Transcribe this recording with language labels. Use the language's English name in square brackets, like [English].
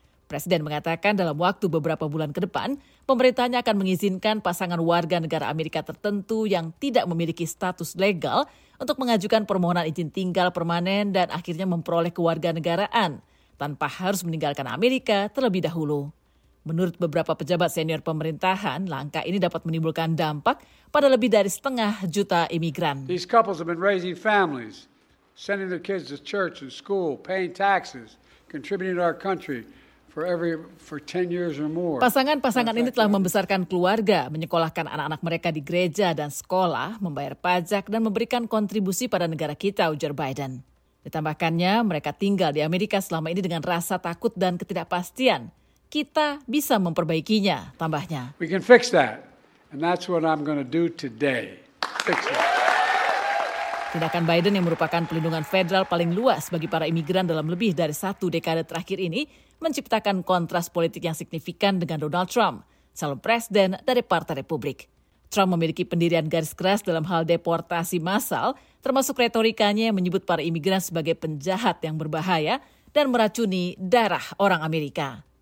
[Indonesian] Presiden mengatakan dalam waktu beberapa bulan ke depan, pemerintahnya akan mengizinkan pasangan warga negara Amerika tertentu yang tidak memiliki status legal untuk mengajukan permohonan izin tinggal permanen dan akhirnya memperoleh kewarganegaraan tanpa harus meninggalkan Amerika terlebih dahulu. Menurut beberapa pejabat senior pemerintahan, langkah ini dapat menimbulkan dampak pada lebih dari 500,000 imigran. [English] These couples have been raising families, sending their kids to church and school, paying taxes, contributing to our country for 10 years or more. [Indonesian] Pasangan-pasangan ini telah membesarkan keluarga, menyekolahkan anak-anak mereka di gereja dan sekolah, membayar pajak dan memberikan kontribusi pada negara kita, ujar Biden. Ditambahkannya, mereka tinggal di Amerika selama ini dengan rasa takut dan ketidakpastian. Kita bisa memperbaikinya, tambahnya. [English] We can fix that, and that's what I'm going to do today. Fix it. [Indonesian] Tindakan Biden yang merupakan pelindungan federal paling luas bagi para imigran dalam lebih dari satu dekade terakhir ini menciptakan kontras politik yang signifikan dengan Donald Trump, calon presiden dari Partai Republik. Trump memiliki pendirian garis keras dalam hal deportasi massal, termasuk retorikanya yang menyebut para imigran sebagai penjahat yang berbahaya dan meracuni darah orang Amerika.